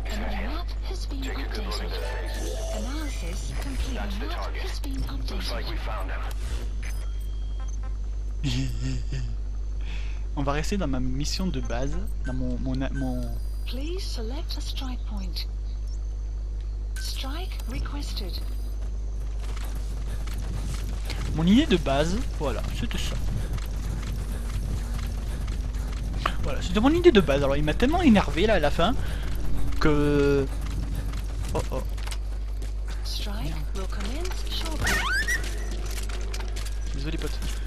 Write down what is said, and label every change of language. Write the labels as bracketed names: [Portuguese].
[English] The map has been updated. Analysis complete. The map has been updated. Looks like we found him. [French] On va rester dans ma mission de base, dans mon. [English] Please select a strike point. Strike requested. [French] Mon idée de base, voilà, c'était ça. Voilà, c'était mon idée de base. Alors il m'a tellement énervé là à la fin que. Oh oh. [English] Strike will commence shortly. [French] Désolé pote.